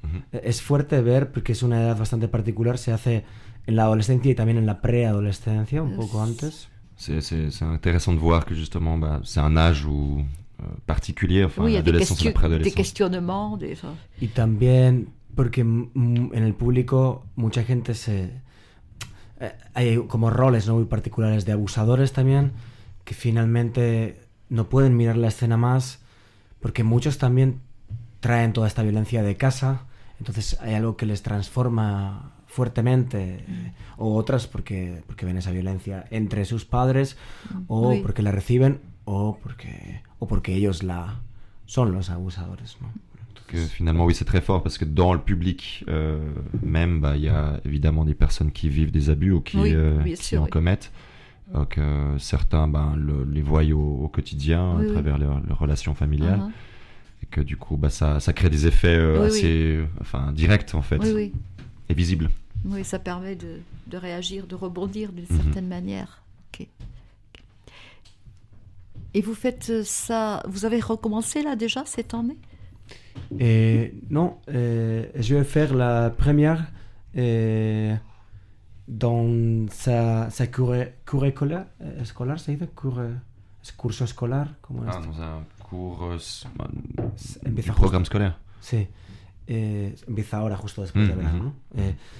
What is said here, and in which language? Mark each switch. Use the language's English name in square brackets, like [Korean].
[Spanish] Es fuerte ver, porque es una edad bastante particular, se hace... En la adolescencia y también en la préadolescencia, un poco antes. [French] C'est intéressant de voir que justement, c'est un âge où, particulier, enfin, oui, l'adolescence et la préadolescence. Des questionnements, des choses. [Spanish] Y también porque en el público mucha gente se... hay como roles, ¿no?, muy particulares de abusadores también, que finalmente no pueden mirar la escena más, porque muchos también traen toda esta violencia de casa, entonces hay algo que les transforma... fuertemente, o otras porque ven esa violencia entre sus padres, o sí. Porque la reciben, o porque ellos son los abusadores, ¿no? Entonces, que [French] finalement, oui, c'est très fort, parce que dans le public même, il y a évidemment des personnes qui vivent des abus ou qui en commettent, donc certains les voient au quotidien, oui, à travers, oui, leurs relations familiales, uh-huh, et que du coup, ça crée des effets directs, en fait. Oui, oui. Est visible. Oui, ça permet de réagir, de rebondir d'une certaine manière. Okay. Et vous faites ça, vous avez recommencé là déjà cette année? Non, je vais faire la première dans sa cours scolaire, ça y est, cours scolaire, comment est-ce? Dans un cours du programme scolaire. C'est... [Spanish] empieza ahora, justo después de verano, ¿no?